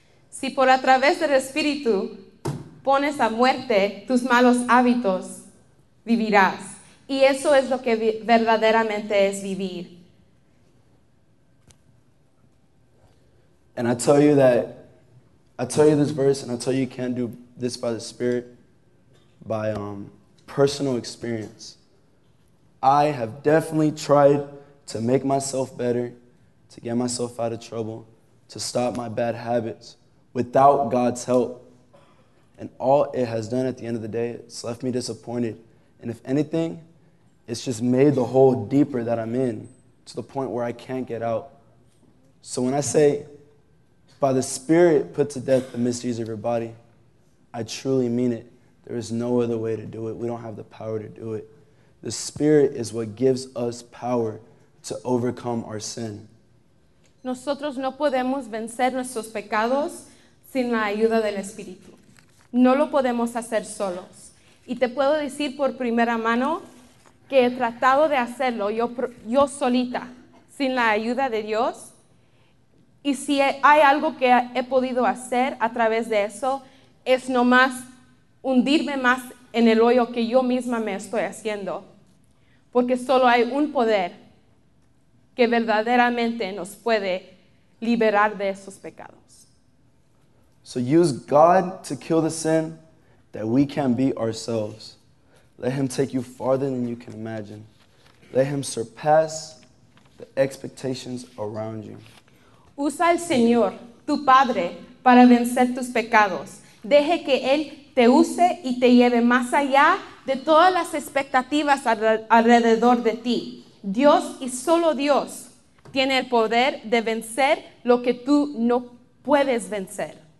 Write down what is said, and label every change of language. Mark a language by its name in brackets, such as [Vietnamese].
[Spanish] Si por a través del Espíritu pones a muerte tus malos hábitos, vivirás. Y eso es lo que verdaderamente es vivir. [English] And I tell you that I tell you this verse, and I tell you you can't do this by the Spirit, by personal experience. I have definitely tried to make myself better, to get myself out of trouble, to stop my bad habits without God's help. And all it has done at the end of the day, it's left me disappointed. And if anything, it's just made the hole deeper that I'm in to the point where I can't get out. So when I say, by the Spirit put to death the misdeeds of your body, I truly mean it. There is no other way to do it. We don't have the power to do it. The Spirit is what gives us power to overcome our sin. [Spanish] Nosotros no podemos vencer nuestros pecados sin la ayuda del Espíritu. No lo podemos hacer solos. Y te puedo decir por primera mano que he tratado de hacerlo yo solita, sin la ayuda de Dios. Y si hay algo que he podido hacer a través de eso, es nomás hundirme más en el hoyo que yo misma me estoy haciendo. Porque solo hay un poder que verdaderamente nos puede liberar de esos pecados. [English] So use God to kill the sin that we can be ourselves. Let him take you farther than you can imagine. Let him surpass the expectations around you. [Spanish] Usa al Señor, tu Padre, para vencer tus pecados. Deje que Él te use y te lleve más allá de todas las expectativas alrededor de ti. Dios y solo Dios tiene el poder de vencer lo que tú no puedes vencer.